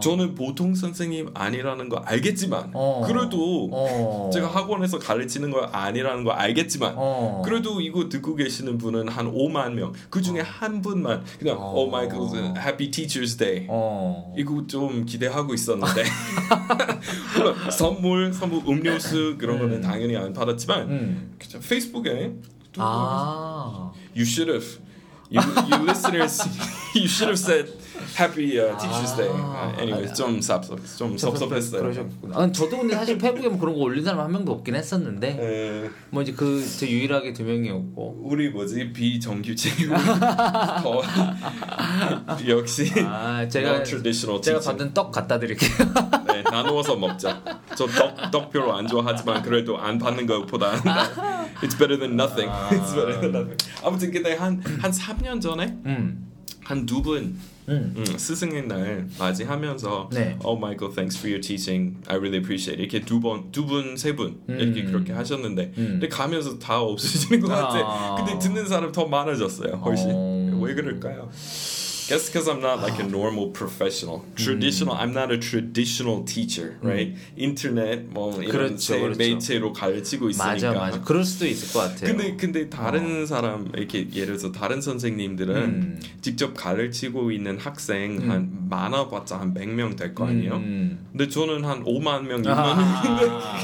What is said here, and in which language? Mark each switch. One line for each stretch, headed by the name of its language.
Korean: 저는 보통 선생님 아니라는 거 알겠지만 그래도 제가 학원에서 가르치는 거 아니라는 거 알겠지만 그래도 이거 듣고 계시는 분은 한 5만 명 그중에 한 분만 그냥
English: Oh my God, Happy Teacher's Day
Korean: 이거 좀 기대하고 있었는데 선물 음료수 그런 거는 당연히 안 받았지만 페이스북에 아.
English: You should have you listeners you should have said Happy Teacher's Day.
Korean: Anyway, 좀 섭섭했어요. 그러셨구나. 아니, 저도 근데 사실 페이북에 뭐 그런 거 올린 사람 한 명도 없긴 했었는데. 뭐 이제 그 저 유일하게 두 명이었고. 우리 뭐지 비정규직. 역시. 아 제가
English: traditional
Korean: 제가 teaching. 받은 떡 갖다 드릴게요. 네 나누어서 먹자. 저 떡 별로 안 좋아하지만 그래도 안 받는 것보다.
English: It's better than nothing. 아. It's better than nothing.
Korean: 아무튼 근데 한 3년 전에 한 두 분. 스승의 날 맞이하면서 네.
English: Oh my God, thanks for your teaching. I really appreciate it.
Korean: 이렇게 두 분, 세 분 이렇게 그렇게 하셨는데 근데 가면서 다 없어지는 것 같아. 근데 듣는 사람 더 많아졌어요. 훨씬. 왜 그럴까요?
English: Guess because I'm not like a normal professional. Traditional, I'm not a traditional teacher, right?
Korean: 인터넷 뭐 이런 그렇죠, 제 매체로 가르치고 있으니까. 맞아, 맞아. 그럴 수도 있을 것 같아요. 근데 다른 사람 이렇게 예를 들어서 다른 선생님들은 직접 가르치고 있는 학생 한 많아봤자 한 100명 될 거 아니에요? 근데 저는 한 5만 명, 6만 명인데.